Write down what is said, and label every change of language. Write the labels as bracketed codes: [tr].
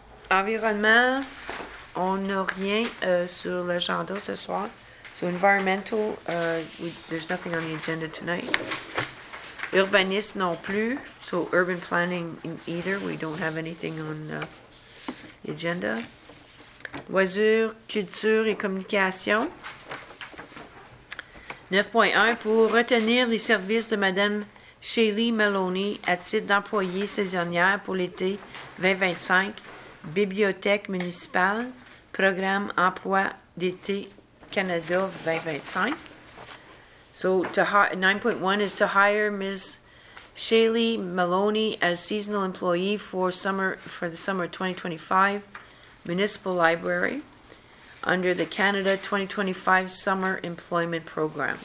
[fr] Environnement, on n'a rien sur l'agenda ce soir. [en] So environmental, there's nothing on the agenda tonight. [fr] Urbaniste non plus. [en] So urban planning either. We don't have anything on the agenda. [fr] Loisirs, culture et communication. 9.1 pour retenir les services de Madame Shaylee Maloney, à titre d'employée saisonnière pour l'été 2025, Bibliothèque municipale, Programme emploi d'été Canada 2025. [en] So, 9.1 is to hire Ms. Shaylee Maloney as seasonal employee for the summer 2025 Municipal Library under the Canada 2025 Summer Employment Program.